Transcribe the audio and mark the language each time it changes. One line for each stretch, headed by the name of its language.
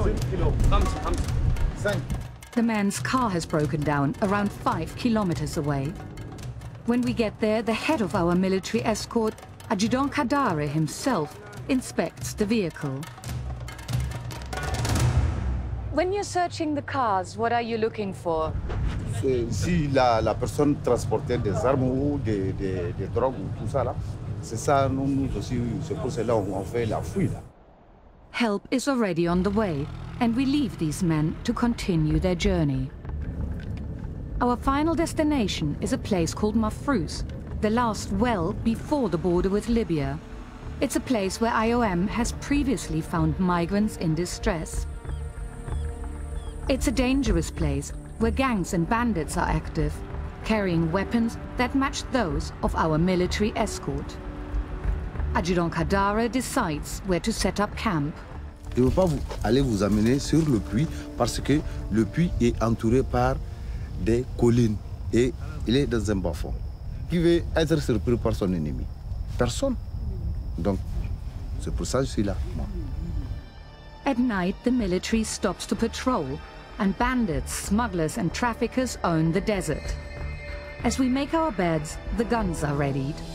English: The man's car has broken down around 5 kilometers away. When we get there, the head of our military escort, Adjutant Kadare himself, inspects the vehicle. When you're searching the cars, what are you looking for?
French: Si la personne transportait des armes ou des drogues ou tout ça là, c'est ça nous aussi, c'est pour cela qu'on fait la fouille là.
English: Help is already on the way, and we leave these men to continue their journey. Our final destination is a place called Mafrous, the last well before the border with Libya. It's a place where IOM has previously found migrants in distress. It's a dangerous place where gangs and bandits are active, carrying weapons that match those of our military escort. Adjutant Kadara decides where to set up camp.
French: Je ne veux pas aller vous amener sur le puits parce que le puits est entouré par des collines et il est dans un bas-fond. Qui veut être surpris par son ennemi? Personne. Donc, c'est pour ça que je suis là, moi.
English: At night, the military stops to patrol, and bandits, smugglers, and traffickers own the desert. As we make our beds, the guns are readied.